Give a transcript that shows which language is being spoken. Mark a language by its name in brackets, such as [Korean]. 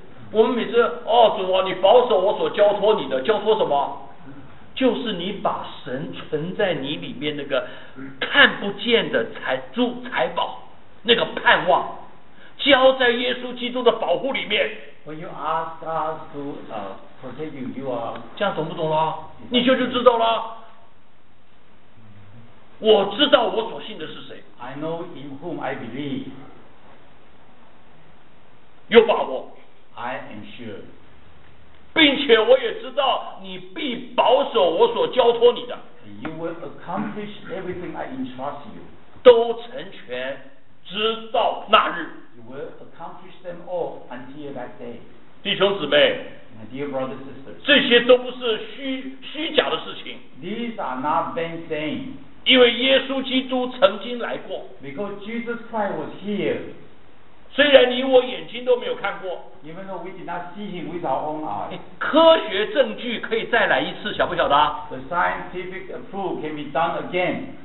[Chinese] 我们每次哦，主啊，你保守我所交托你的，交托什么？就是你把神存在你里面那个看不见的财宝，那个盼望，交在耶稣基督的保护里面。 [English] When you ask God to protect you, you are. [Chinese] 这样懂不懂了？你就知道了。我知道我所信的是谁。 [English] I know in whom I believe. [Chinese] 有把握。 [English] I am sure. [Chinese] 并且我也知道你必保守我所交托你的。 [English] You will accomplish everything I entrust you. [Chinese] 都成全，直到那日。 [English] You will accomplish them all until that day. [Chinese] 弟兄姊妹。 [English] My dear brothers and sisters. [Chinese] 这些都不是虚假的事情。 [English] These are not vain things. [Chinese] 因为耶稣基督曾经来过。 [English] Because Jesus Christ was here. [Chinese] 虽然你我眼睛都没有看过。 [English] Even though we did not see him with our own eyes. [Chinese] 科学证据可以再来一次，晓不晓得？ [English] The scientific proof can be done again.